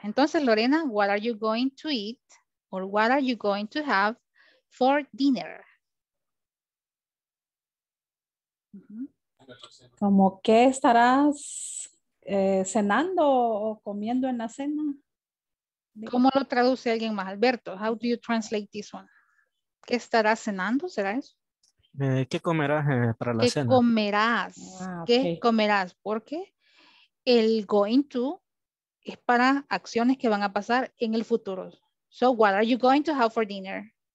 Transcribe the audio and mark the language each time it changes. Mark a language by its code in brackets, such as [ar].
[en] Entonces, Lorena, what are you going to eat or what are you going to have for dinner? [es] ¿Cómo qué estarás cenando o comiendo en la cena? Digo. ¿Cómo lo traduce alguien más? [en] Alberto, how do you translate this one? [es] ¿Qué estarás cenando? ¿Será eso? ¿Qué comerás para la ¿qué cena? Comerás. [en] Ah, okay. [es] ¿Qué comerás? Porque el going to es para acciones que van a pasar en el futuro. [en] So, what are you going to have for dinner?